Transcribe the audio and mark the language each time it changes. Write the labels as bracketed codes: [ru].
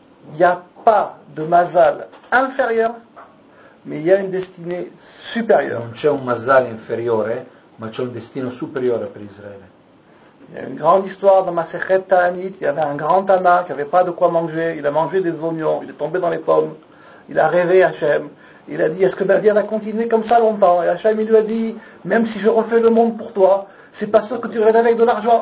[fr] Il n'y a pas de mazal inférieur, mais il y a une destinée supérieure. [it] Non c'è un mazal inferiore, ma c'è un destino superiore per Israele. [fr] Il y a une grande histoire dans Maseret Ta'anit, il y avait un grand Tana qui n'avait pas de quoi manger, il a mangé des oignons, il est tombé dans les pommes, il a rêvé Hachem, il a dit est-ce que ma vie va continuer comme ça longtemps? Et Hachem il lui a dit, même si je refais le monde pour toi, c'est pas sûr que tu reviennes avec de l'argent.